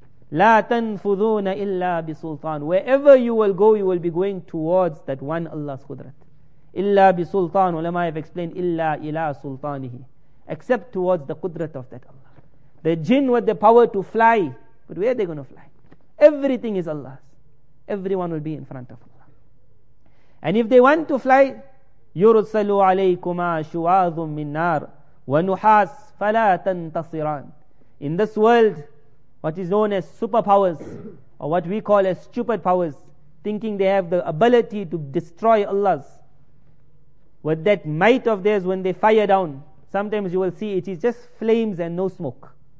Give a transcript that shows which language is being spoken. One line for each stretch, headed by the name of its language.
Arabic: La tanfuduna illa bi sultan.
English: Wherever you will go, you will be going towards that one Allah's qudrat.
Arabic: Illa bi sultan.
English: Ulama have explained,
Arabic: illa ila sultanihi.
English: Except towards the qudrat of that Allah. The jinn with the power to fly, But where are they going to fly? Everything is Allah's. Everyone will be in front of Allah. And if they want to fly,
Arabic: يُرْسَلُ عَلَيْكُمَا شُوَاذٌ مِّن نَارٍ وَنُحَاسٍ فَلَا تَنْتَصِرَانٍ.
English: In this world, what is known as superpowers, or what we call as stupid powers, thinking they have the ability to destroy Allah's, with that might of theirs, when they fire down, sometimes you will see it is just flames and no smoke.